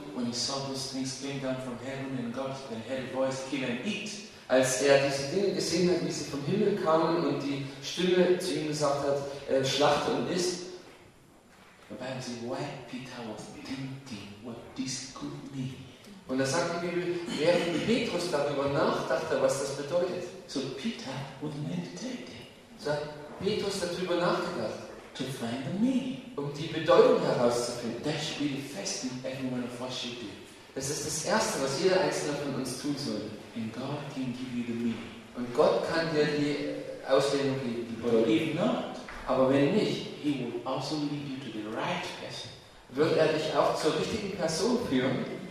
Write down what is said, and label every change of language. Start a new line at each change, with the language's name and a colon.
English: when he saw those things came down from heaven and God then had a voice, came and eat,
German: als er diese Dinge gesehen hat, wie sie vom Himmel kamen und die Stimme zu ihm gesagt hat, schlachte und iss.
English: The Bible says, why Peter was thinking what this could mean.
German: Und da sagt die Bibel, während Petrus darüber nachdachte, was das bedeutet.
English: So Peter wouldn't meditate.
German: So hat Petrus darüber nachgedacht.
English: To find the meaning.
German: Um die Bedeutung herauszufinden.
English: That should be the first thing everyone of us should do.
German: Das ist das Erste, was jeder Einzelne von uns tun soll.
English: And God can give you the meaning.
German: Und Gott kann dir die Auslegung geben.
English: But if not,
German: aber wenn nicht,
English: he will also lead you to the right person.
German: Wird er dich auch zur richtigen Person führen?